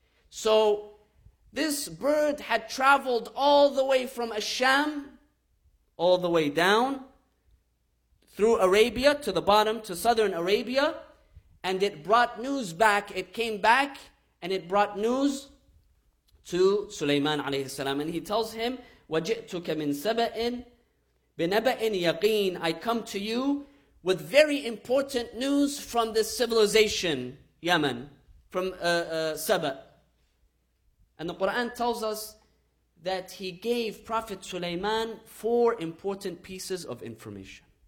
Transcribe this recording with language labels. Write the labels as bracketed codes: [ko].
[en] So this bird had traveled all the way from Asham, all the way down through Arabia to the bottom, to southern Arabia, and it brought news back. It came back and it brought news to Sulaiman alayhi salam. And he tells him, [ar] وَجِئْتُكَ مِنْ سَبَئٍ بِنَبَئٍ يَقِينٍ. [en] I come to you with very important news from this civilization, Yemen, from Saba. And the Quran tells us that he gave Prophet Sulaiman four important pieces of information.